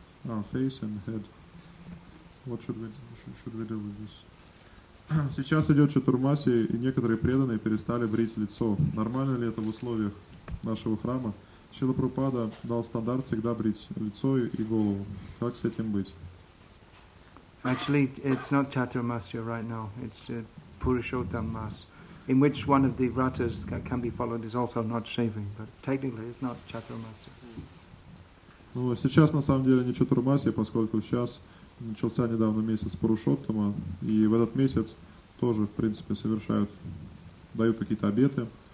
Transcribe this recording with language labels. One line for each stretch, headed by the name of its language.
English: Our face and head. What should we do with this?
Russian: Сейчас идет чатурмаси, и некоторые преданные перестали брить лицо. Нормально ли это в условиях нашего храма? Шрила Прабхупада дал стандарт всегда брить лицо и голову. Как с этим быть?
English: Actually, it's not чатурмаси right now. It's Purushottam Mas, in which one of the vratas that can be followed is also not shaving, but technically it's not чатурмаси.
Russian: Ну, сейчас на самом деле не чатурмаси, поскольку сейчас начался недавно месяц Пурушоттама, и в этот месяц тоже, в принципе, дают какие-то обеты.